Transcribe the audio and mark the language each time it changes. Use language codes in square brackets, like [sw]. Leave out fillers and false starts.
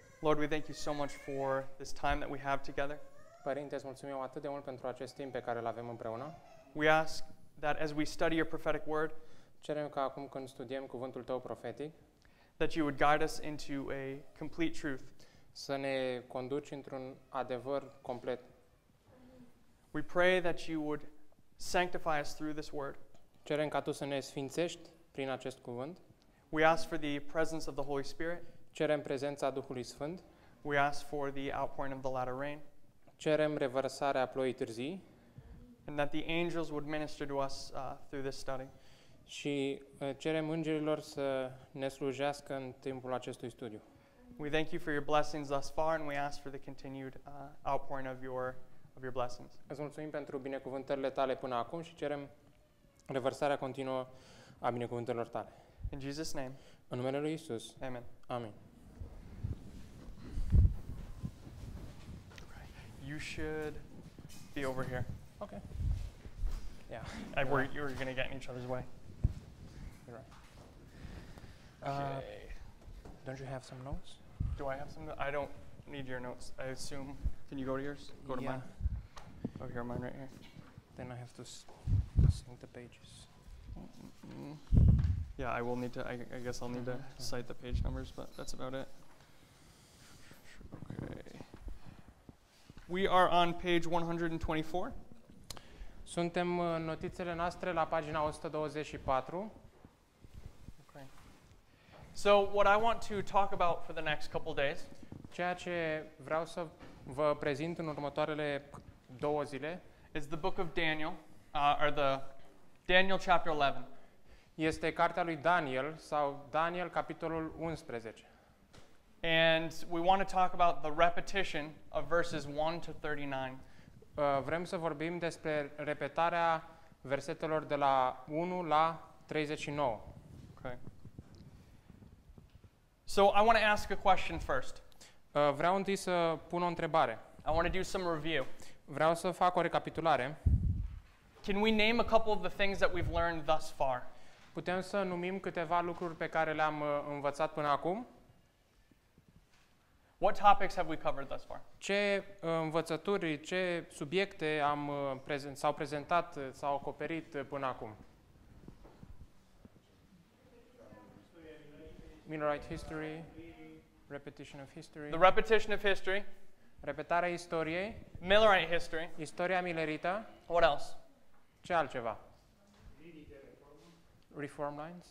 [en] Lord, we thank you so much for this time that we have together. [ro] Părinte, îți mulțumim atât de mult pentru acest timp pe care îl avem împreună. [en] We ask that as we study your prophetic word, [ro] cerem ca acum când studiem cuvântul tău profetic, [en] that you would guide us into a complete truth. [ro] Să ne conduci într-un adevăr complet. [en] We pray that you would sanctify us through this word. [ro] Cerem ca tu să ne sfințești prin acest cuvânt. [en] We ask for the presence of the Holy Spirit. [ro] Cerem prezența Duhului Sfânt. [en] We ask for the outpouring of the latter rain. [ro] Cerem revărsarea ploii târzii. [en] And that the angels would minister to us through this study. [ro] Și cerem îngerilor să ne slujească în timpul acestui studiu. [en] We thank you for your blessings thus far and we ask for the continued outpouring of your blessings. [ro] Îți mulțumim pentru binecuvântările tale până acum și cerem revărsarea continuă a binecuvântărilor tale. [en] In Jesus' name. [ro] În numele lui Iisus. [en] Amen. [ro] Amen. [en] You should be over here. Okay. Yeah. I worry you were going to get in each other's way. You're right. Okay. Don't you have some notes? Do I have some? I don't need your notes. I assume. Can you go to yours? Go to mine. Oh, here, mine right here. Then I have to sync the pages. Yeah, I will need to, I guess I'll need to cite the page numbers, but that's about it. Okay. We are on page 124. [ro] Suntem în notițele noastre la pagina 124. [en] Okay. So, what I want to talk about for the next couple days, [ro] ceea ce vreau să vă prezint în următoarele două zile, [en] is the book of Daniel, or the Daniel chapter 11. [ro] Este cartea lui Daniel sau Daniel capitolul 11. [en] And we want to talk about the repetition of verses 1 to 39. [ro] Vrem să vorbim despre repetarea versetelor de la 1 la 39. [en] Okay. So I want to ask a question first. [ro] Vreau întâi să pun o întrebare. [en] I want to do some review. [ro] Vreau să fac o recapitulare. [en] Can we name a couple of the things that we've learned thus far? [ro] Putem să numim câteva lucruri pe care le-am învățat până acum? [en] What topics have we covered thus far? [ro] Ce învățături, ce subiecte am s-au prezentat, s-au acoperit până acum? [en] Minorite history, repetition of history. The repetition of history. [ro] Repetarea istoriei. [en] Millerite history. [ro] Istoria millerită. [en] What else? [ro] Ce altceva? [en] Reform lines.